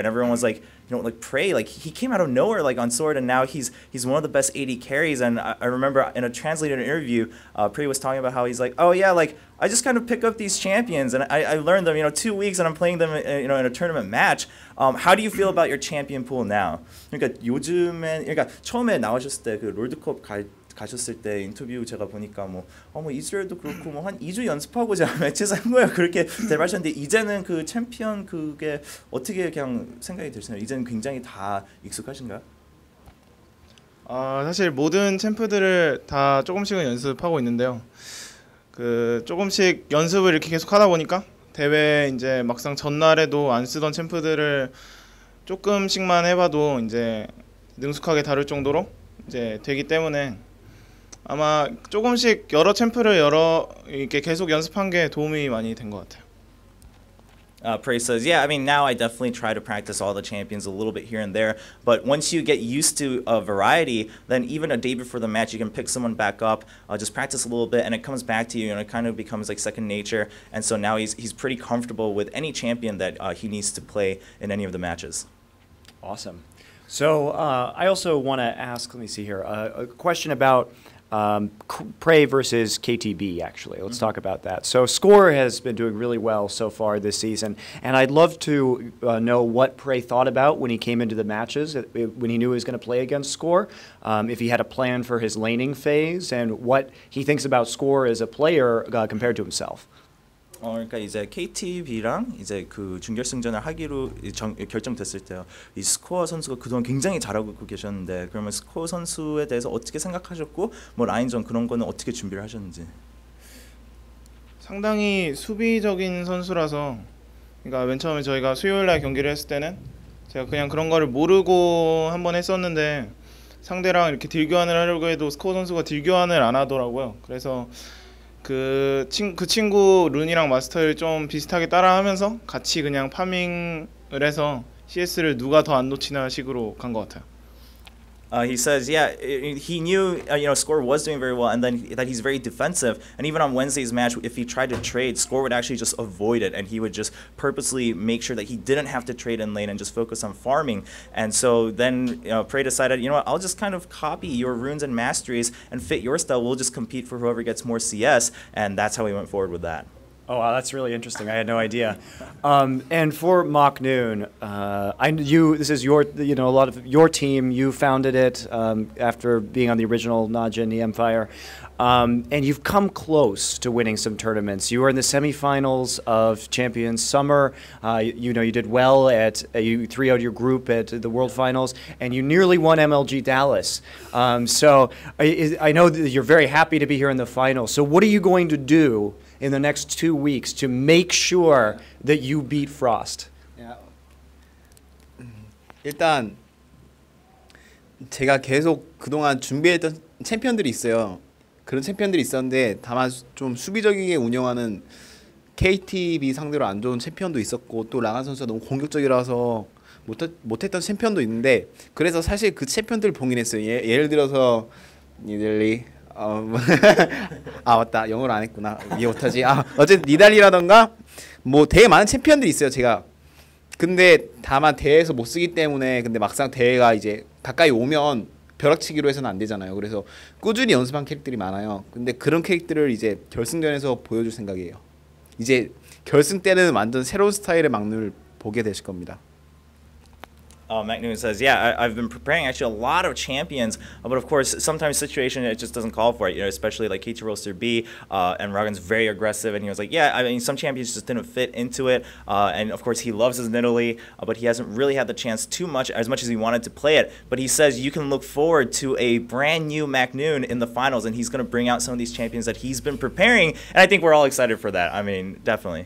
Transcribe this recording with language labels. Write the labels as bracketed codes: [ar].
[en] And everyone was like, you know, like Prey, like he came out of nowhere, like on Sword, and now he's one of the best AD carries. And I remember in a translated interview, Prey was talking about how he's like, oh yeah, like I just kind of pick up these champions and I learned them, you know, 2 weeks and I'm playing them, you know, in a tournament match. How do you feel about your champion pool now? [ko] 그러니까 요즘에, 그러니까 처음에 나오셨을 때 그 롤드컵 가셨을 때 인터뷰 제가 보니까 뭐 어머 뭐 이스라엘도 그렇고 뭐 한 2주 연습하고 제가 매치 산 거예요 그렇게 대발하셨는데 이제는 그 챔피언 그게 어떻게 그냥 생각이 드시나요? 이제는 굉장히 다 익숙하신가요? 아 사실 모든 챔프들을 다 조금씩은 연습하고 있는데요. 그 조금씩 연습을 이렇게 계속하다 보니까 대회 이제 막상 전날에도 안 쓰던 챔프들을 조금씩만 해봐도 이제 능숙하게 다룰 정도로 이제 되기 때문에. 아마 조금씩 여러 챔프를 여러 이렇게 계속 연습한 게 도움이 많이 된 것 같아요. [en] Prey says, yeah, I mean, now I definitely try to practice all the champions a little bit here and there, but once you get used to a variety, then even a day before the match, you can pick someone back up, just practice a little bit, and it comes back to you, and it kind of becomes like second nature, and so now he's pretty comfortable with any champion that he needs to play in any of the matches. Awesome. So I also want to ask, let me see here, a question about Prey versus KTB, actually. Let's talk about that. So Score has been doing really well so far this season, and I'd love to know what Prey thought about when he came into the matches, when he knew he was going to play against Score, if he had a plan for his laning phase, and what he thinks about Score as a player compared to himself. [ko] 그러니까 이제 KTB랑 이제 그 준결승전을 하기로 결정됐을 때요. 이 스코어 선수가 그동안 굉장히 잘하고 계셨는데 그러면 스코어 선수에 대해서 어떻게 생각하셨고 뭐 라인전 그런 거는 어떻게 준비를 하셨는지. 상당히 수비적인 선수라서 그러니까 맨 처음에 저희가 수요일 날 경기를 했을 때는 제가 그냥 그런 거를 모르고 한번 했었는데 상대랑 이렇게 딜교환을 하려고 해도 스코어 선수가 딜교환을 안 하더라고요. 그래서 그 친구 룬이랑 마스터를 좀 비슷하게 따라하면서 같이 그냥 파밍을 해서 CS를 누가 더 안 놓치나 식으로 간 것 같아요. [en] He says, yeah, he knew, you know, Score was doing very well, and then that he's very defensive. And even on Wednesday's match, if he tried to trade, Score would actually just avoid it, and he would just purposely make sure that he didn't have to trade in lane and just focus on farming. And so then Prey decided, you know what, I'll just kind of copy your runes and masteries and fit your style. We'll just compete for whoever gets more CS, and that's how he went forward with that. Oh, wow, that's really interesting. I had no idea. And for Mach Noon, this is your, you know, a lot of your team. You founded it after being on the original NaJin EMFire. And you've come close to winning some tournaments. You were in the semifinals of Champions Summer. You did well at, you 3-0'd your group at the World Finals, and you nearly won MLG Dallas. So I know that you're very happy to be here in the finals. So what are you going to do in the next 2 weeks to make sure that you beat Frost? Yeah. [ko] 일단 제가 계속 그동안 준비했던 챔피언들이 있어요. 그런 챔피언들이 있었는데 다만 좀 수비적이게 운영하는 KTB 상대로 안 좋은 챔피언도 있었고 또 라간 선수가 너무 공격적이라서 못했던 챔피언도 있는데 그래서 사실 그 챔피언들을 봉인했어요. 예를 들어서 니들리 아 맞다 영어를 안 했구나 이해 못하지 아 어쨌든 니달리라던가 뭐 되게 많은 챔피언들이 있어요 제가 근데 다만 대회에서 못 쓰기 때문에 근데 막상 대회가 이제 가까이 오면 벼락치기로 해서는 안 되잖아요 그래서 꾸준히 연습한 캐릭들이 많아요 근데 그런 캐릭들을 이제 결승전에서 보여줄 생각이에요 이제 결승 때는 완전 새로운 스타일의 막룰을 보게 되실 겁니다 [en] Magnum says, yeah, I've been preparing actually a lot of champions, but of course, sometimes situation, it just doesn't call for it, you know, especially like KT Roaster B, and Ragan's very aggressive, and he was like, yeah, I mean, some champions just didn't fit into it, and of course, he loves his Nidalee, but he hasn't really had the chance too much, as much as he wanted to play it, but he says you can look forward to a brand new Magnum in the finals, and he's going to bring out some of these champions that he's been preparing, and I think we're all excited for that, I mean, definitely.